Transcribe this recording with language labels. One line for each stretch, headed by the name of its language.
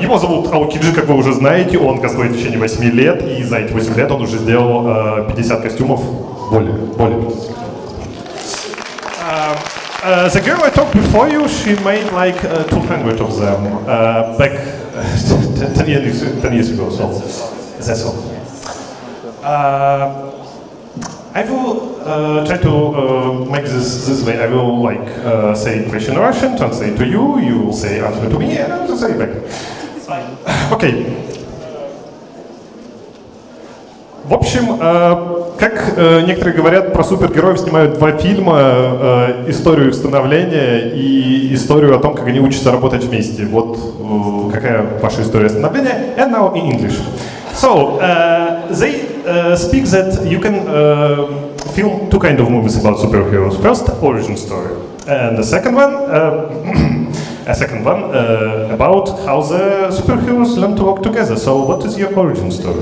Russian: Его зовут Aokiji, как вы уже знаете, он косплеит в течение 8 лет, и за эти 8 лет он уже сделал 50 костюмов, более 50 костюмов.
English: The girl I talked before you, she made like 200 of them back 10 years ago, so that's all. I will try to make this way. I will like say question in Russian, translate to you. You will say answer to me, and I will say it back. It's fine. Okay.
Russian: В общем, как некоторые говорят про супергероев, снимают два фильма: историю их становления и историю о том, как они учатся работать вместе. Вот какая ваша история становления?
English: And now in English. So they speak that you can film two kind of movies about superheroes. First, origin story, and the second one, about how the superheroes learn to work together. So, what is your origin story?